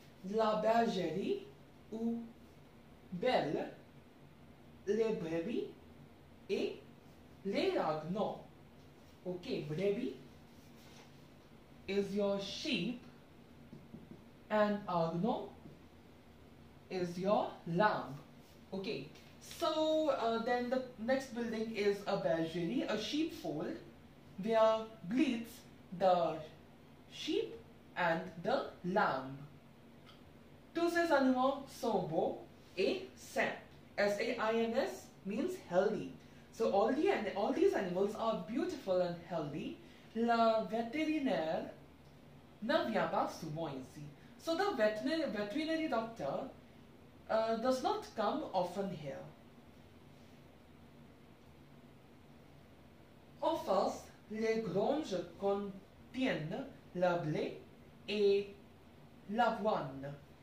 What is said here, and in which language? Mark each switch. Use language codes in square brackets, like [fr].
[fr] La bergerie ou belle, les brebis et les ragnons. [en] Okay, brebis is your sheep and ragnon is your lamb. Okay, so then the next building is a bergerie, a sheepfold, where bleats the sheep and the lamb. [fr] Tous ces animaux sont beaux et sains. S-A-I-N-S [en] means healthy. So all these animals are beautiful and healthy. [fr] La vétérinaire ne vient pas souvent ici. [en] So the veterinary doctor does not come often here. [fr] En face, les granges contiennent le blé et l'avoine.